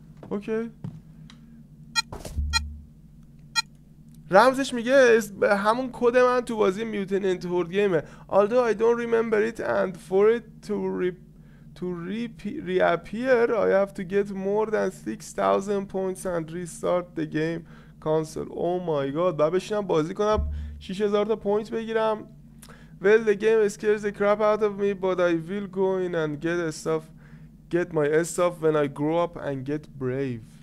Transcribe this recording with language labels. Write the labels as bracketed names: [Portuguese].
[Persian] اوکی، رمزش میگه همون کد من تو بازی میوتنت هورد گیمه. [English] Although I don't remember it and for it to reappear I have to get more than 6000 points and restart the game console. Oh my god. [Persian] بعد بشینم بازی کنم 6000 تا پوینت بگیرم. [English] Well, the game scares the crap out of me, but I will go in and get my stuff when I grow up and get brave.